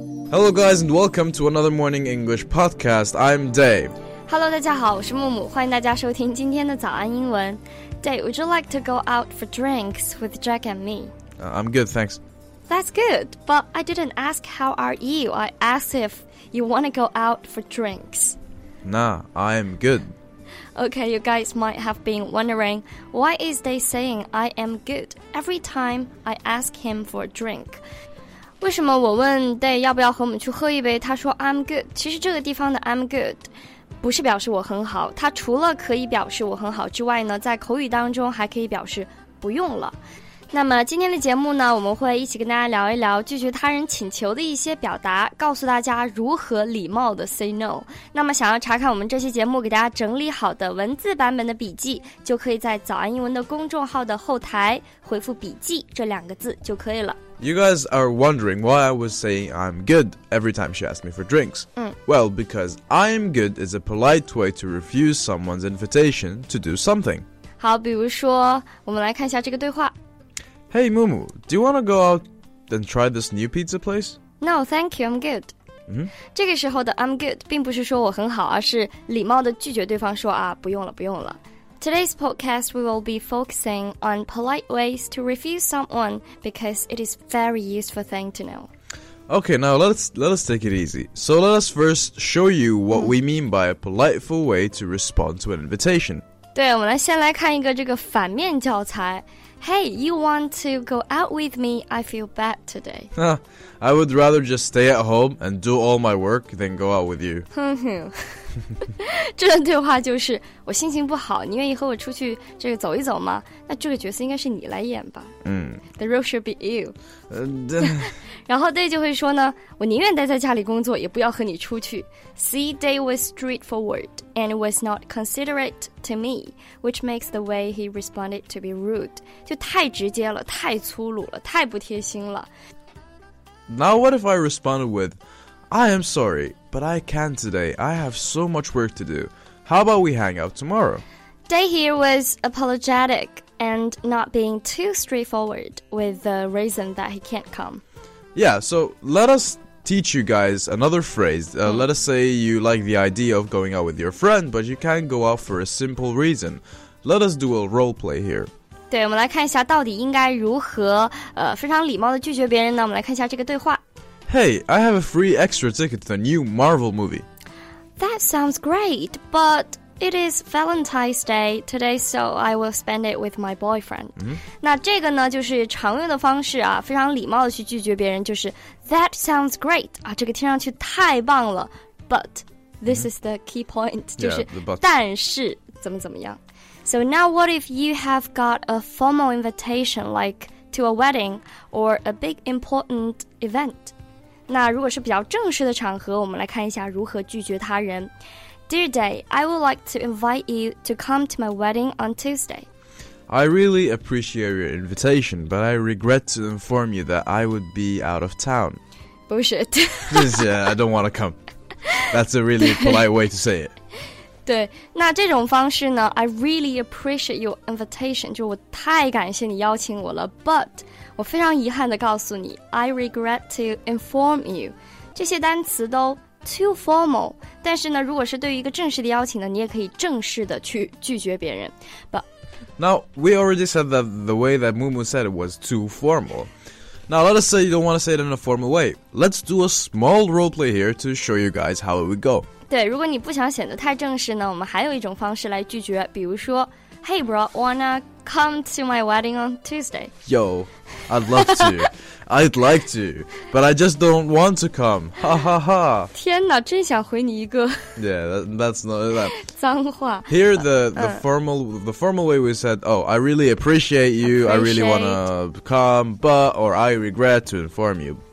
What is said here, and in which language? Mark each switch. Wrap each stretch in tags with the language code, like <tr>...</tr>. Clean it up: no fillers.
<en>Hello, guys, and welcome to another Morning English podcast. I'm Dave.</en> <zh>Hello, 大家好，我是木木，欢迎大家收听今天的早安英文。</zh> <en>Dave, would you like to go out for drinks with Jack and me? I'm good, thanks. That's good, but I didn't ask how are you. I asked if you want to go out for drinks. Nah, I'm good. Okay, you guys might have been wondering, why is Dave saying I am good every time I ask him for a drink?</en> <zh>为什么我问 Day 要不要和我们去喝一杯，他说</zh> <en>I'm good。</en> <zh>其实这个地方的</zh> <en>I'm good</en> <zh>不是表示我很好，它除了可以表示我很好之外呢，在口语当中还可以表示不用了。那么今天的节目呢，我们会一起跟大家聊一聊拒绝他人请求的一些表达，告诉大家如何礼貌的</zh> <en>say no。</en> <zh>那么想要查看我们这期节目给大家整理好的文字版本的笔记，就可以在早安英文的公众号的后台回复笔记这两个字就可以了。</zh> <en>You guys are wondering why I was saying I'm good every time she asked me for drinks. Well, because I'm good is a polite way to refuse someone's invitation to do something.</en> <zh>好，比如说，我们来看一下这个对话。</zh> <en>Hey, Mumu, do you want to go out and try this new pizza place? No, thank you, I'm good. Mm-hmm.</en> <zh>这个时候的</zh> <en>I'm good</en> <zh>并不是说我很好，而是礼貌地拒绝对方说啊，不用了，不用了。</zh> <en>Today's podcast, we will be focusing on polite ways to refuse someone because it is a very useful thing to know. Okay, now let us take it easy. So let us first show you what we mean by a politeful way to respond to an invitation.</en> <zh>对，我们来先来看一个这个反面教材。</zh> <en>Hey, you want to go out with me? I feel bad today. I would rather just stay at home and do all my work than go out with you.</en> <zh>这段对话就是我心情不好，你愿意和我出去这个走一走吗？那这个角色应该是你来演吧。</zh> <en>The role should be you.</en> <zh>然后 Day 就会说呢，我宁愿待在家里工作，也不要和你出去。</zh> <en>See, Day was straightforward and was not considerate to me, which makes the way he responded to be rude.</en> <zh>就太直接了，太粗鲁了，太不贴心了。</zh> <en>Now what if I responded with, I am sorry, but I can't today. I have so much work to do. How about we hang out tomorrow? Day here was apologetic and not being too straightforward with the reason that he can't come. Yeah, so let us teach you guys another phrase. Let us say you like the idea of going out with your friend, but you can't go out for a simple reason. Let us do a role play here.</en> <zh>对，我们来看一下到底应该如何非常礼貌地拒绝别人呢？我们来看一下这个对话。</zh> <en>Hey, I have a free extra ticket to the new Marvel movie. That sounds great, but it is Valentine's Day today, so I will spend it with my boyfriend.</en> <zh>那这个呢，就是常用的方式啊，非常礼貌的去拒绝别人，就是</zh> <en>That sounds great,</en> <zh>啊，这个听上去太棒了</zh> <en>but this is the key point,</en> <zh>就是 但是怎么怎么样。</zh> <en>So now what if you have got a formal invitation like to a wedding or a big important event?</en> <zh>那如果是比较正式的场合，我们来看一下如何拒绝他人。</zh> <en>Dear Day, I would like to invite you to come to my wedding on Tuesday. I really appreciate your invitation, but I regret to inform you that I would be out of town. Bullshit. Yeah, I don't want to come. That's a really polite way to say it.</en> <zh>对，那这种方式呢 ，</zh> <en>I really appreciate your invitation.</en> <zh>就我太感谢你邀请我了 ，but 我非常遗憾地告诉你 ，</zh> <en>I regret to inform you.</en> <zh>这些单词都</zh> <en>too formal.</en> <zh>但是呢，如果是对于一个正式的邀请呢，你也可以正式的去拒绝别人。</zh> <en>But now we already said that the way that Mumu said it was too formal. Now let us say you don't want to say it in a formal way. Let's do a small role play here to show you guys how it would go.</en> <zh>对，如果你不想显得太正式呢，我们还有一种方式来拒绝，比如说</zh> <en>Hey bro, wanna come to my wedding on Tuesday? Yo, I'd love to. I'd like to, but I just don't want to come. Ha ha ha.</en> <zh>天哪，真想回你一个。</zh> <en>Yeah, that's not that.</en> <zh>脏话。</zh> <en>Here the formal way we said, oh, I really appreciate you, appreciate. I really wanna come, but, or I regret to inform you.</en>